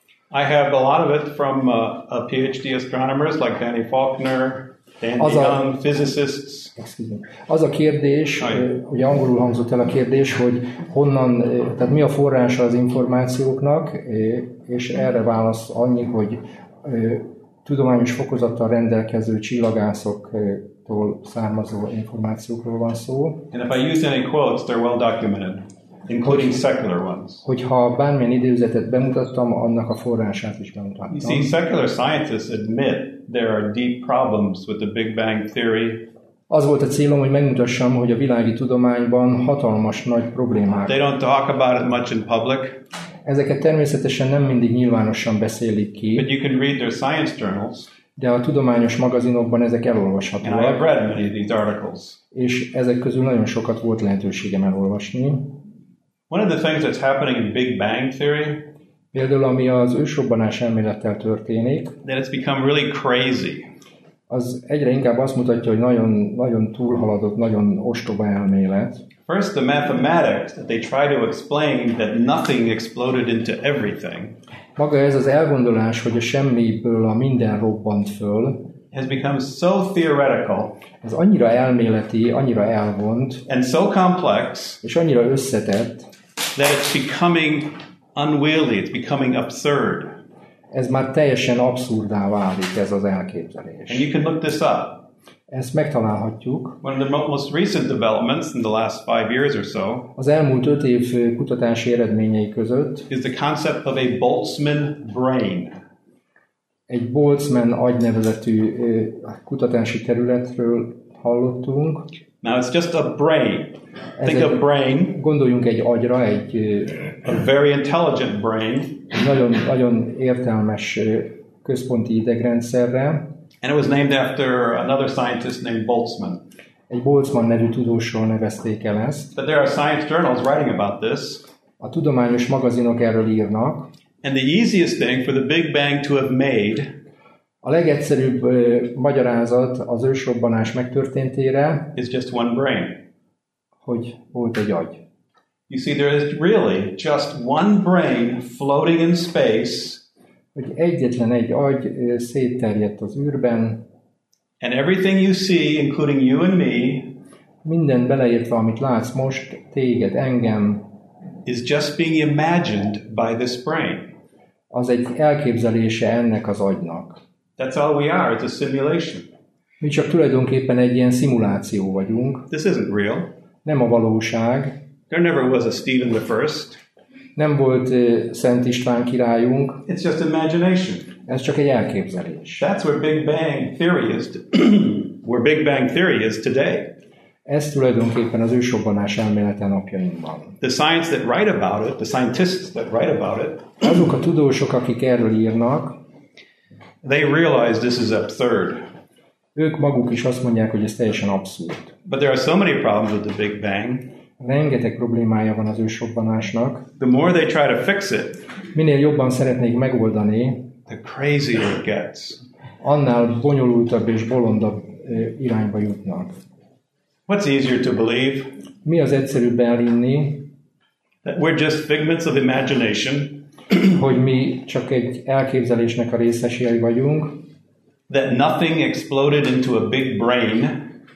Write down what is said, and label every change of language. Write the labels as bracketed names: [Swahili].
[English] I have a lot of it from PhD astronomers like Danny Faulkner, Dan Young, physicists. Excuse me. [Hungarian] Az a kérdés, ugye angolul hangzott el a kérdés, hogy honnan, tehát mi a forrása az információknak, és erre válasz annyi, hogy tudományos fokozattal rendelkező csillagászok tól származó információkról van szó. [English] And if I use any quotes, they're well documented, including secular ones. [Hungarian] Hogyha bármilyen idézetet bemutattam, annak a forrását is bemutattam. [English] You see, secular scientists admit there are deep problems with the Big Bang theory. [Hungarian] Az volt a célom, hogy megmutassam, hogy a világi tudományban hatalmas nagy problémák. [English] They don't talk about it much in public. [Hungarian] Ezeket természetesen nem mindig nyilvánosan beszélik ki. [English] But you can read their science journals. [Hungarian] De a tudományos magazinokban ezek elolvashatóak. [English] And I have read many of these articles. [Hungarian] És ezek közül nagyon sokat volt lehetőségem elolvasni. [English] One of the things that's happening in Big Bang theory, [Hungarian] például ami az ősrobbanás elmélettel történik, [English] that it's become really crazy. [Hungarian] Az egyre inkább azt mutatja, hogy nagyon, nagyon túlhaladott, nagyon ostoba elmélet. [English] First, the mathematics that they try to explain that nothing exploded into everything. [Hungarian] Maga ez az elgondolás, hogy a semmiből a minden robbant föl, [English] has become so theoretical. [Hungarian] Ez annyira elméleti, annyira elvont, [English] and so complex, [Hungarian] és annyira összetett, [English] that it's becoming unwieldy, it's becoming absurd. [Hungarian] Ez már teljesen abszurdá válik, ez az elképzelés. [English] And you can look this up. [Hungarian] Ezt megtalálhatjuk. [English] One of the most recent developments in the last 5 years or so, [Hungarian] az elmúlt 5 év kutatási eredményei között, [English] is the concept of a Boltzmann brain. [Hungarian] Egy Boltzmann agynevezetű kutatási területről hallottunk. [English] Now it's just a brain. Think of brain. [Hungarian] Gondoljunk egy agyra, egy [English] a very intelligent brain. [Hungarian] Nagyon, nagyon értelmes központi idegrendszerre. [English] And it was named after another scientist named Boltzmann. [Hungarian] Egy Boltzmann nevű tudósról nevezték el ezt. [English] But there are science journals writing about this. [Hungarian] A tudományos magazinok erről írnak. [English] And the easiest thing for the Big Bang to have made, [Hungarian] A legegyszerűbb magyarázat az ősrobbanás megtörténtére [English] is just one brain. [Hungarian] Hogy volt egy agy. [English] You see, there is really just one brain floating in space. [Hungarian] Hogy egyetlen egy agy szétterjedt az űrben. [English] And everything you see, including you and me, [Hungarian] minden beleértve, amit látsz most, téged, engem, [English] is just being imagined by this brain. [Hungarian] Az egy elképzelése ennek az agynak. [English] That's all we are, it's a simulation. [Hungarian] Mi csak tulajdonképpen egy ilyen szimuláció vagyunk. [English] This isn't real. [Hungarian] Nem a valóság. [English] There never was a Stephen the First. [Hungarian] Nem volt Szent István királyunk. [English] It's just imagination. [Hungarian] Ez csak egy elképzelés. [English] That's where Big Bang Theory is. Where Big Bang Theory is today. [Hungarian] Ez tulajdonképpen az ősrobbanás elmélete napjainkban. [English] The science that write about it, the scientists that write about it. [Hungarian] Azok a tudósok, akik erről írnak, [English] they realize this is absurd. [Hungarian] Ők maguk is azt mondják, hogy ez teljesen abszurd. [English] But there are so many problems with the Big Bang. [Hungarian] Rengeteg problémája van az ősrobbanásnak. [English] The more they try to fix it, [Hungarian] minél jobban szeretnék megoldani, [English] the crazier it gets. [Hungarian] Annál bonyolultabb és bolondabb irányba jutnak. [English] What's easier to believe? [Hungarian] Mi az egyszerűbb elhinni? [English] That we're just figments of imagination. [Hungarian] Hogy mi csak egy elképzelésnek a részesei vagyunk. [English] That nothing exploded into a big brain.